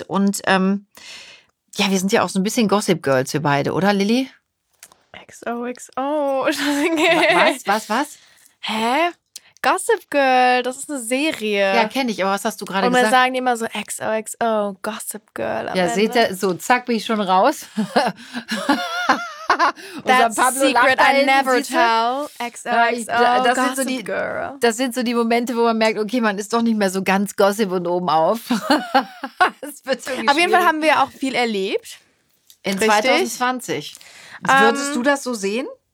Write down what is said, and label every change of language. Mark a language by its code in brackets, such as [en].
[de] Und ja, wir sind ja auch so ein bisschen Gossip Girls, wir beide, oder Lilly? XOXO. Was? Hä? Gossip Girl, das ist eine Serie. Ja, kenne ich, aber was hast du gerade gesagt? Und wir sagen immer so XOXO, Gossip Girl. Ja, Ende. Seht ihr, so zack bin ich schon raus. [en] That's a secret I never tell. [de] XOXO, das Gossip sind so die, Girl. Das sind so die Momente, wo man merkt, okay, man ist doch nicht mehr so ganz Gossip und oben auf. Auf jeden Fall haben wir auch viel erlebt. In richtig? 2020. Würdest du das so sehen?